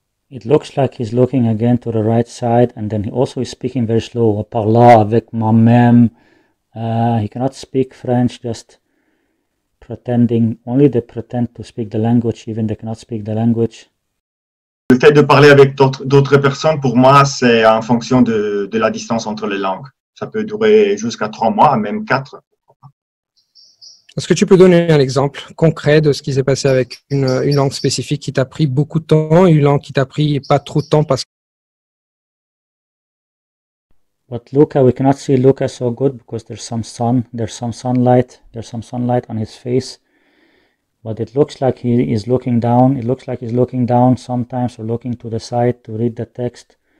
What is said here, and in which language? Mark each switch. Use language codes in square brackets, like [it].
[en] It looks like he's looking again to the right side, and then he also is speaking very slow. [fr] Parler avec moi-même. [en] He cannot speak French, just pretending, only they pretend to speak the language, even they cannot speak the language. [fr] Le fait de parler avec d'autres personnes, pour moi, c'est en fonction de la distance entre les langues. Ça peut durer jusqu'à 3 mois, même 4. Est-ce que tu peux donner un exemple concret de ce qui s'est passé avec une langue spécifique qui t'a pris beaucoup de temps, une langue qui t'a pris pas trop de temps parce que... [en] But Luca, we cannot see Luca so good because there's some sun, there's some sunlight on his face. But it looks like he is looking down, it looks like he's looking down sometimes or looking to the side to read the text.